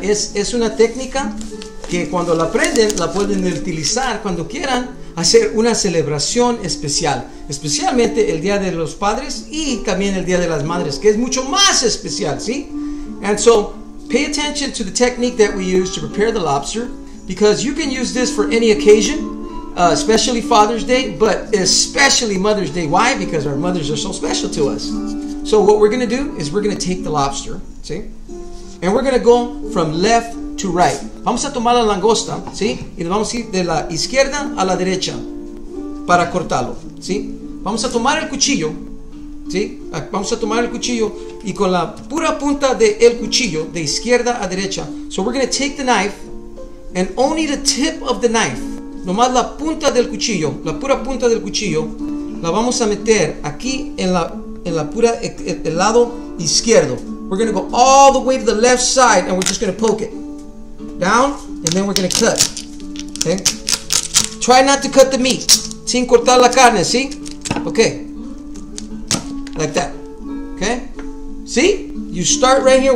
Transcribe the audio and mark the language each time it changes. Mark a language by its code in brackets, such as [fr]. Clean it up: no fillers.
[es] Es una técnica que cuando la aprenden, la pueden utilizar cuando quieran hacer una celebración especial. Especialmente el Día de los Padres y también el Día de las Madres, que es mucho más especial, ¿sí? [en] And so, pay attention to the technique that we use to prepare the lobster, because you can use this for any occasion. Especially Father's Day, but especially Mother's Day. Why? Because our mothers are so special to us. So what we're going to do is we're going to take the lobster, see? And we're going to go from left to right. [es] Vamos a tomar la langosta, ¿sí? Y nos vamos a ir de la izquierda a la derecha para cortarlo, ¿sí? Vamos a tomar el cuchillo, ¿sí? Vamos a tomar el cuchillo y con la pura punta del cuchillo, de izquierda a derecha. [en] So we're going to take the knife and only the tip of the knife. [es] Nomás la punta del cuchillo, la pura punta del cuchillo, la vamos a meter aquí en el lado izquierdo. [en] We're going to go all the way to the left side and we're just going to poke it down and then we're going to cut. Okay? Try not to cut the meat. [es] Sin cortar la carne, ¿sí? [en] Okay. Like that. Okay? See? You start right here.